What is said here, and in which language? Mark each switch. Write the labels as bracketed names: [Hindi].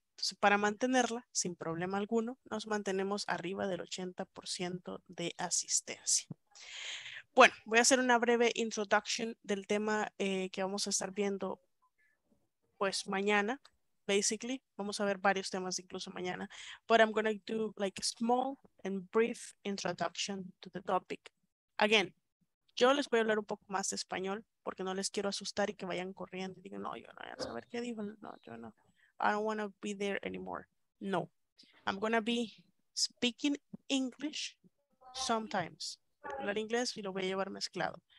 [Spanish] Entonces, para mantenerla, sin problema alguno, nos mantenemos arriba del 80% de asistencia. Bueno, voy a hacer una breve [English] introduction [Spanish] del tema que vamos a estar viendo, pues, mañana, [English] basically. [Spanish] Vamos a ver varios temas incluso mañana. [English] But I'm going to do, like, a small and brief introduction to the topic. Again, [Spanish] yo les voy a hablar un poco más de español porque no les quiero asustar y que vayan corriendo y digan, no, yo no voy a saber qué dijo. No, yo no. [English] I don't want to be there anymore. No. I'm going to be speaking English sometimes. [Spanish] Hablar inglés y lo voy a llevar mezclado.